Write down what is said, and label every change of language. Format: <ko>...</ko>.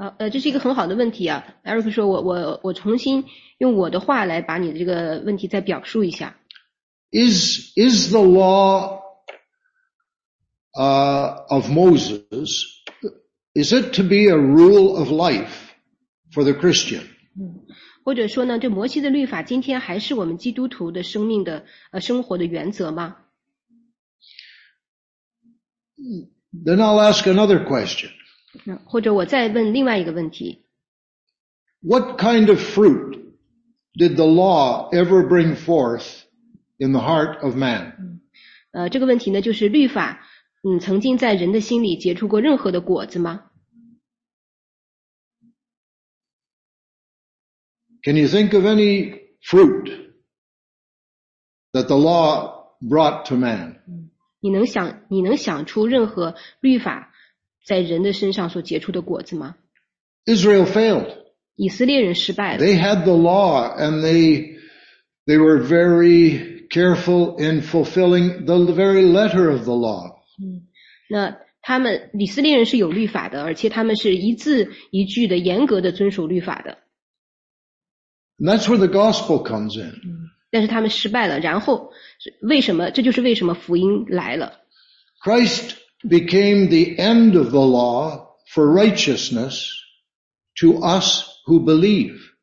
<zh>这是一个很好的问题啊。Eric 说我重新用我的话来把你的这个问题再表述一下。</zh> <en>Is the law, of Moses, is it to be a rule of life for the Christian?</en> <zh>或者说呢这摩西的律法今天还是我们基督徒的生命的生活的原则吗？</zh> <en>Then I'll ask another question.</en> <zh>或者我再问另外一个问题。</zh> <en>What kind of fruit did the law ever bring forth in the heart of man.</en> <zh>这个问题呢，就是律法，曾经在人的心里结出过任何的果子吗？</zh> <en>Can you think of any fruit that the law brought to man?</en> <zh>你能想出任何律法在人的身上所结出的果子吗？</zh> <en>Israel failed.</en> <zh>以色列人失败了。</zh> <en>They had the law and they were very careful in fulfilling the very letter of the law.</en> <zh>那他们以色列人是有律法的，而且他们是一字一句的严格的遵守律法的。</zh> <en>And that's where the gospel comes in.</en> <zh>但是他们失败了，然后为什么？这就是为什么福音来了。</zh> <en>Christ became the end of the law for righteousness to us who believe.</en>